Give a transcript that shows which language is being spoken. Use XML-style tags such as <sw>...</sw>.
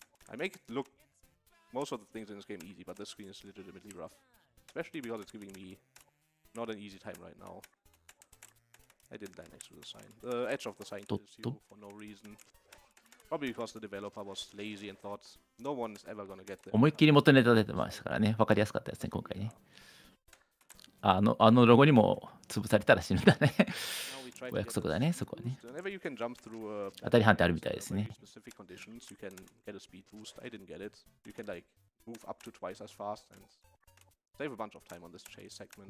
<en>I make it look most of the things in this game easy, but this screen is legitimately rough. Especially because it's giving me not an easy time right now. I didn't die next to the sign. The edge of the sign kills you for no reason. Probably because the developer was lazy and thought no one is ever gonna get there.</en> <ja>思いっきり元ネタ出てましたからね。分かりやすかったですね、今回ね。あのロゴにも潰されたら死ぬんだね。お約束だね、そこはね。</ja> <en>Whenever you can jump through a...</en> <ja>当たり判定あるみたいですね。</ja> <en>Specific conditions, you can get a speed boost. I didn't get it. You can like move up to twice as fast and save a bunch of time on this chase segment.</en>